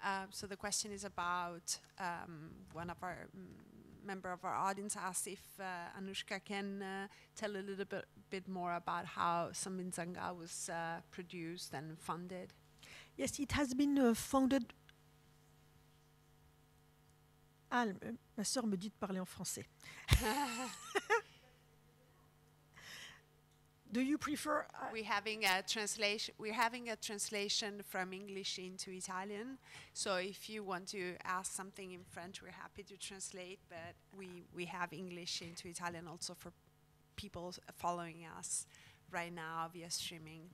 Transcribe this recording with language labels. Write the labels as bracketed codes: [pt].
[en] So the question is about one of our member of our audience asked if Annouchka can tell a little bit more about how SAMBIZANGA was produced and funded. Yes, it has been founded. [fr] Ah, ma sœur me dit de parler en français. [en] Do you prefer? We're having a translation from English into Italian. So if you want to ask something in French, we're happy to translate. But we have English into Italian also for people following us right now via streaming.